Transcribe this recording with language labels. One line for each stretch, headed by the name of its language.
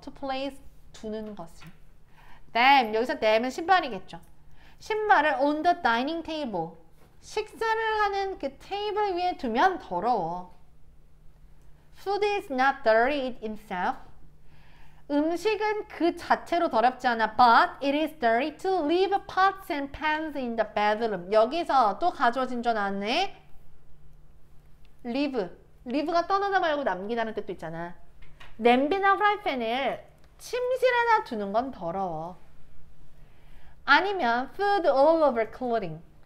Korean: To place, 두는 것은. Them, 여기서 them은 신발이겠죠. 신발을
English: on the dining table,
Korean: 식사를 하는 그 테이블 위에 두면 더러워.
English: Food is not dirty itself.
Korean: 음식은 그 자체로 더럽지 않아.
English: But it is dirty to leave pots and pans in the bedroom.
Korean: 여기서 또 가져진 줄 아네. Leave. Leave가 떠나다 말고 남기다는 뜻도 있잖아. 냄비나 프라이팬을 침실에다 두는 건 더러워.
English: 아니면 food all over clothing.